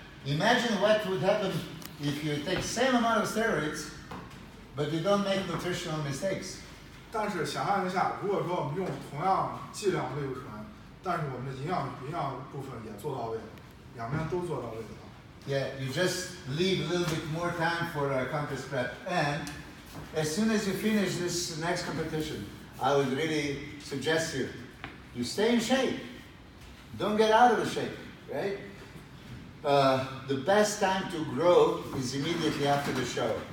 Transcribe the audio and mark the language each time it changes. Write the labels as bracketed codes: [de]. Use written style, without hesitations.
[en] imagine what would happen if you take same amount of steroids, but you don't make nutritional mistakes. [zh] 但是想象一下，如果说我们用同样剂量类固醇，但是我们的营养部分也做到位，两边都做到位的话。 [en] Yeah, you just leave a little bit more time for a contest prep. And as soon as you finish this next competition, I would really suggest you stay in shape. Don't get out of the shape, right? The best time to grow is immediately after the show.